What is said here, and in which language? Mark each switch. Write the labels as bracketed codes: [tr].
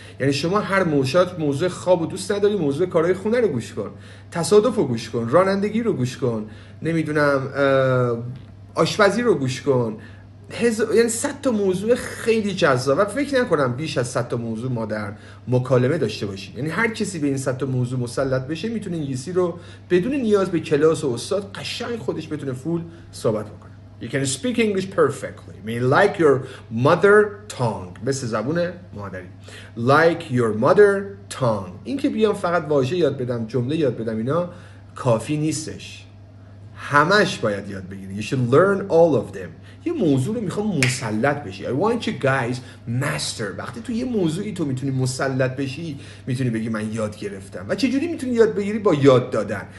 [fa] یعنی شما هر موضوعات، موضوع خواب و دوست نداری، موضوع کارهای خونه رو گوش کن، تصادف رو گوش کن، رانندگی رو گوش کن، نمیدونم آشپزی رو گوش کن، یعنی 100 تا موضوع خیلی جذاب. و فکر نکنم بیش از 100 تا موضوع ما در مکالمه داشته باشیم. یعنی هر کسی به این 100 تا موضوع مسلط بشه میتونه انگلیسی رو بدون نیاز به کلاس و استاد قشنگ خودش بتونه فول صحبت بکنه. [en] You can speak English perfectly. I mean like your mother tongue. [fa] مثل زبون مادری. [en] Like your mother tongue. [fa] این که بیام فقط واژه یاد بدم، جمله یاد بدم، اینا کافی نیستش. همش باید یاد بگیری. [en] You should learn all of them. [fa] یه موضوع رو میخوام مسلط بشی. [en] I want you guys master. [fa] وقتی تو یه موضوعی تو میتونی مسلط بشی، میتونی بگی من یاد گرفتم. و چجوری میتونی یاد بگیری؟ با یاد دادن.